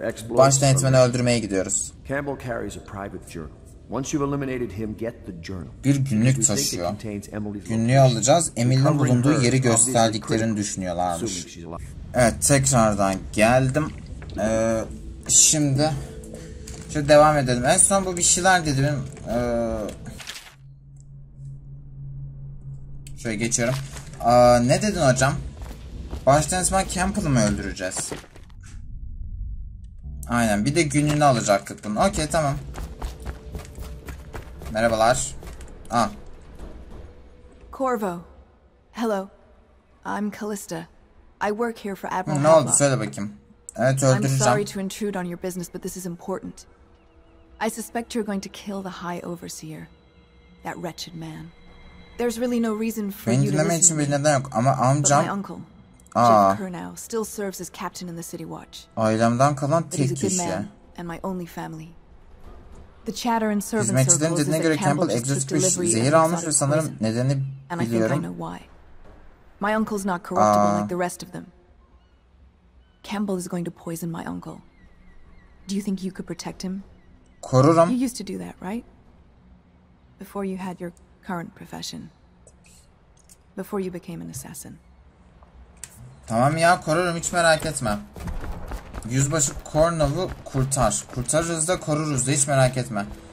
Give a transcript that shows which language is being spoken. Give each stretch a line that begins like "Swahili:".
Turkish: Baş denetmeni öldürmeye gidiyoruz.
English: Campbell carries a private journal. Once you've eliminated him, get the journal.
Turkish: Bir günlük taşıyor. Günlüğü alacağız. Emily'nin bulunduğu yeri gösterdiklerini düşünüyorlarmış. Evet, tekrardan geldim. Şimdi devam edelim. En son bu bir şeyler dedim. Şöyle geçiyorum. Ne dedin hocam? Baş denetmen Campbell'ı mı öldüreceğiz? Aynen, bir de günlüğünü alacaktık bunu. Okey, tamam. Merhabalar.
English: Corvo. Hello. I'm Callista. I work here for Admiral.
Turkish: Ne oldu, söyle bakayım. Evet, öldüreceğim.
English: I'm sorry to intrude on your business, but this is important. I suspect you're going to kill the High Overseer. That wretched man. There's really no reason for
Turkish: beni
English: you to listen to me.
Turkish: Bir neden yok. Ama amcam...
English: But my uncle, Jeff Curnow, still serves as captain in the City Watch.
Turkish: Ailemden kalan tek kişi.
English: He's a good man, and my only family. The chatter and servant circles is that Campbell, just
Turkish: bir zehir almış ve sanırım nedenini biliyorum.
English: My uncle's not corruptible like the rest of them. Campbell is going to poison my uncle. Do you think you could protect him?
Turkish: Korurum.
English: You used to do that, right? Before you had your current profession. Before you became an assassin.
Turkish: Tamam ya, korurum, hiç merak etme. Yüzbaşı Cornwall'ı kurtar. Kurtarırız da koruruz da, hiç merak etme.